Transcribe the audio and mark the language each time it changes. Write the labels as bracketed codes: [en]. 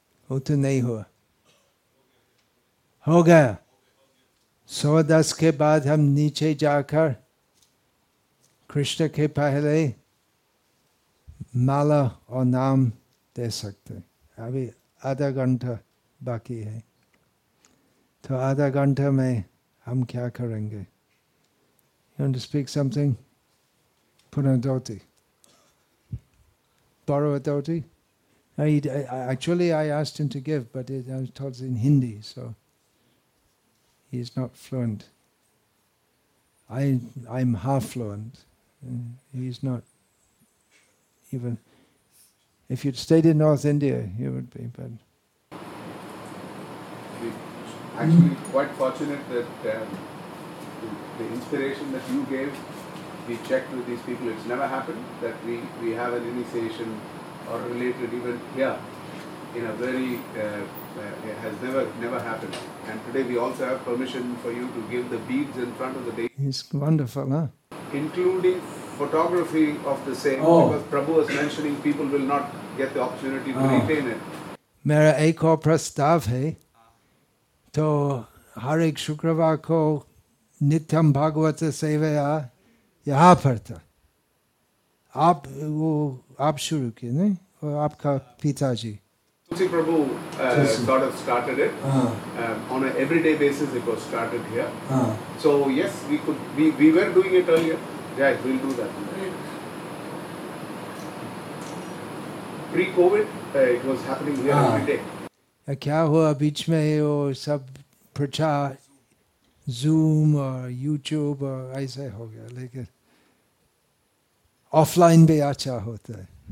[hi] वो तो नहीं हुआ, हो गया 110 के बाद हम नीचे जाकर कृष्ण के पहले माला और नाम दे सकते हैं। अभी आधा घंटा बाकी है, तो आधा घंटा में हम क्या करेंगे? [en] You want to speak something? Put on a dhoti. Borrow a dhoti? Actually, I asked him to give, but I was told it's in Hindi, so he's not fluent. I'm half fluent. He's not even... If you'd stayed in North India, he would be, but... Actually, quite fortunate that the inspiration that you gave, we checked with these people. It's never happened that we have an initiation or related event here in a very... it has never happened. And today we also have permission for you to give the beads in front of the deity. It's wonderful, huh? Including photography of the same. Oh. Because Prabhu was mentioning people will not get the opportunity to retain it. [hi] Mera ek aur prastav hai. तो हर एक शुक्रवार को नित्यम भागवत सेवा यहाँ पर था। आप वो आप शुरू किए नहीं, और आपका पिताजी [en] Tulsi Prabhu sort of started it on a everyday basis. It was started here. So yes, we could we were doing it earlier. Yes, we'll do that. Pre-COVID it was happening here every day. [hi] क्या हुआ बीच में वो सब प्रचार zoom और YouTube और ऐसे हो गया, लेकिन ऑफलाइन भी अच्छा होता है।